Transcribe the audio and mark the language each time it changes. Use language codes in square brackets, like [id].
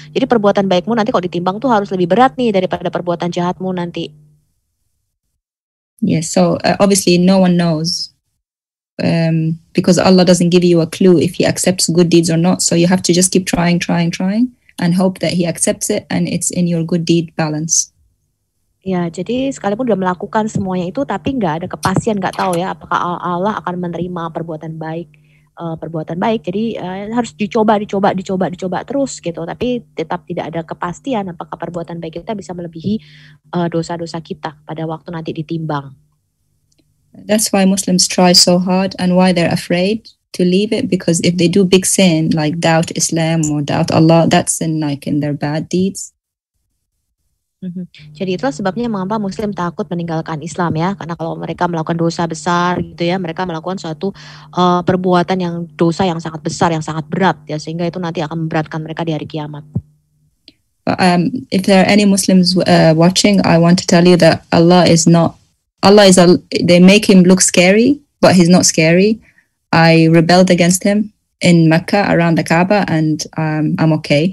[id] Jadi perbuatan baikmu nanti kalau ditimbang tuh harus lebih berat nih daripada perbuatan jahatmu nanti. [en] Yes, so obviously no one knows because Allah doesn't give you a clue if he accepts good deeds or not. So you have to just keep trying and hope that he accepts it and it's in your good deed balance. [id] Ya, jadi sekalipun sudah melakukan semuanya itu, tapi nggak ada kepastian, nggak tahu ya apakah Allah akan menerima perbuatan baik. Jadi harus dicoba terus gitu. Tapi tetap tidak ada kepastian apakah perbuatan baik kita bisa melebihi dosa-dosa kita pada waktu nanti ditimbang. [en] That's why Muslims try so hard and why they're afraid to leave it, because if they do big sin like doubt Islam or doubt Allah, that's in like in their bad deeds. [id] Jadi itulah sebabnya mengapa Muslim takut meninggalkan Islam ya, karena kalau mereka melakukan dosa besar gitu ya, mereka melakukan suatu perbuatan yang dosa yang sangat besar, yang sangat berat ya, sehingga itu nanti akan memberatkan mereka di hari kiamat. [en] If there are any Muslims watching, I want to tell you that they make him look scary, but he's not scary. I rebelled against him in Mecca around the Kaaba, and I'm okay.